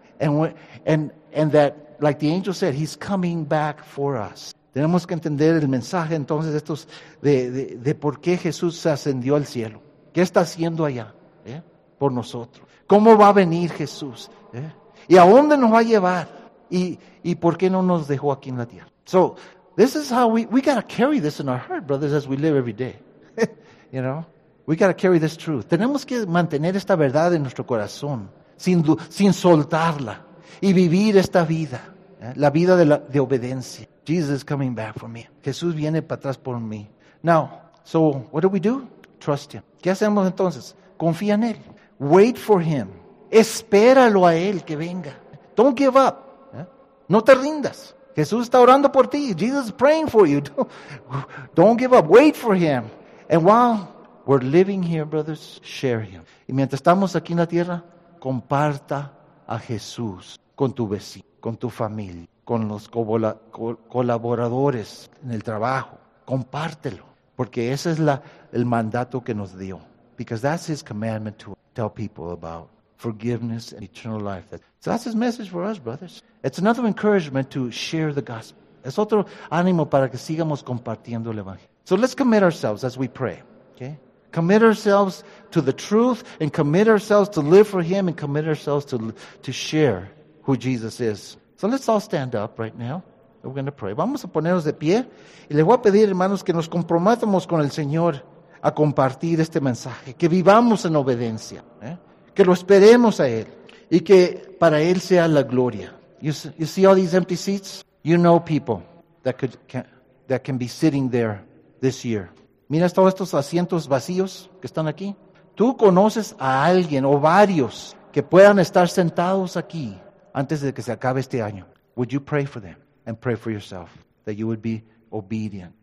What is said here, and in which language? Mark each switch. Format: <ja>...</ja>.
<en>And that, like the angel said, he's coming back for us.</en> <es>Tenemos que entender el mensaje entonces estos de por qué Jesús se ascendió al cielo. ¿Qué está haciendo allá? ¿Eh? Por nosotros. ¿Cómo va a venir Jesús? ¿Eh? ¿Y a dónde nos va a llevar? ¿Y por qué no nos dejó aquí en la tierra?</es> <en>So, this is how we got to carry this in our heart, brothers, as we live every day. You know? We got to carry this truth.</en> <es>Tenemos que mantener esta verdad en nuestro corazón, sin soltarla, y vivir esta vida, ¿eh? La vida de obediencia.</es> <en>Jesus is coming back for me.</en> <es>Jesús viene para atrás por mí.</es> <en>Now, so what do we do? Trust him.</en> <es>¿Qué hacemos entonces? Confía en él.</es> <en>Wait for him.</en> <es>Espéralo a él que venga.</es> <en>Don't give up.</en> <es>¿Eh? No te rindas. Jesús está orando por ti.</es> <en>Jesus is praying for you. Don't give up. Wait for him. And while we're living here, brothers, share him.</en> <es>Y mientras estamos aquí en la tierra, comparta a Jesús con tu vecino, con tu familia, con los colaboradores en el trabajo. Compártelo. Porque ese es el mandato que nos dio.</es> <en>Because that's his commandment to tell people about forgiveness and eternal life. So that's his message for us, brothers. It's another encouragement to share the gospel.</en> <es>Es otro ánimo para que sigamos compartiendo el evangelio.</es> <en>So let's commit ourselves as we pray. Okay? Commit ourselves to the truth and commit ourselves to live for him and commit ourselves to share who Jesus is. So let's all stand up right now. We're going to pray.</en> <es>Vamos a ponernos de pie. Y les voy a pedir, hermanos, que nos comprometamos con el Señor a compartir este mensaje. Que vivamos en obediencia. ¿Eh? Que lo esperemos a Él. Y que para Él sea la gloria.</es> <en>You see all these empty seats? You know people that can be sitting there this year.</en> <es>Miras todos estos asientos vacíos que están aquí. Tú conoces a alguien o varios que puedan estar sentados aquí antes de que se acabe este año.</es> <en>Would you pray for them and pray for yourself that you would be obedient?</en>